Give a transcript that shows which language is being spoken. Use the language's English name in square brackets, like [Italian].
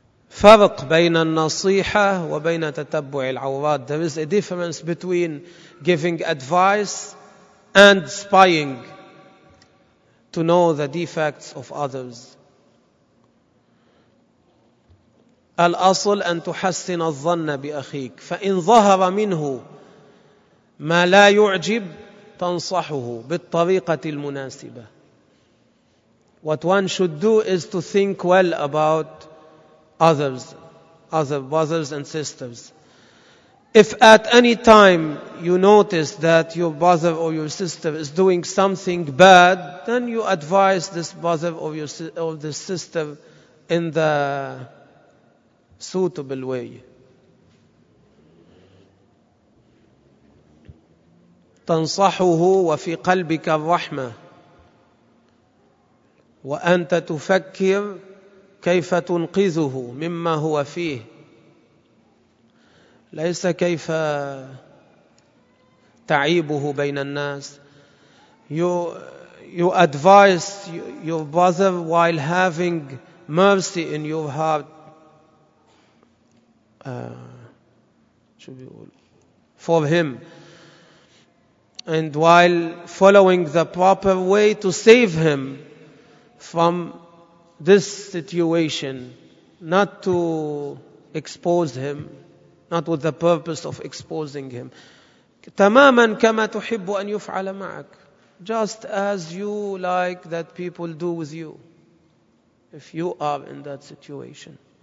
[Arabic] فرق بين النصيحة وبين تتبع العورات. [English] There is a difference between giving advice and spying to know the defects of others. [Arabic] الأصل أن تحسن الظن بأخيك، فإن ظهر منه ما لا يعجب تنصحه بالطريقة المناسبة. [English] What one should do is to think well about other brothers and sisters. If at any time you notice that your brother or your sister is doing something bad, then you advise this brother or this sister in the suitable way. [Arabic] تنصحه وفي قلبك الرحمة وأنت تفكر كيف تنقذه مما هو فيه، ليس كيف تعيبه بين الناس. [English] You advise your brother while having mercy in your heart for him, and while following the proper way to save him from this situation, not to expose him, not with the purpose of exposing him. [Arabic] تماما كما تحب أن يفعل معك. [English] Just as you like that people do with you, if you are in that situation.